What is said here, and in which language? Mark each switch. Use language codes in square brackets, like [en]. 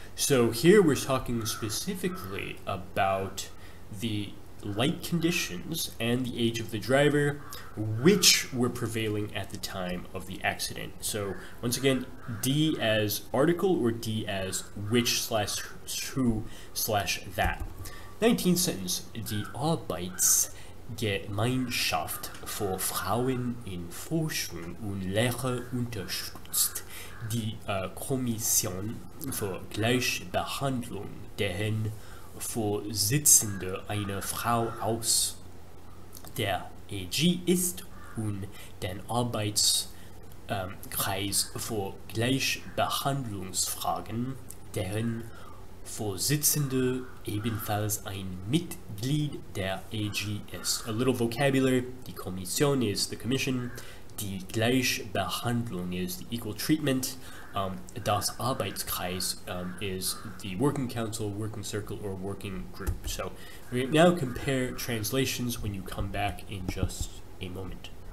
[en] So here we're talking specifically about the light conditions and the age of the driver, which were prevailing at the time of the accident. So once again, D as article or D as which slash who slash that. 19th sentence, [de] die Arbeitsgemeinschaft für Frauen in Forschung und Lehre unterstützt die Kommission für Gleichbehandlung, deren Vorsitzende eine Frau aus der EG ist und den Arbeits, Kreis vor Gleichbehandlungsfragen, deren Vorsitzende ebenfalls ein Mitglied der AG ist. [en] A little vocabulary, die Kommission is the commission, die Gleichbehandlung is the equal treatment, das Arbeitskreis is the working council, working circle, or working group. So we now compare translations when you come back in just a moment.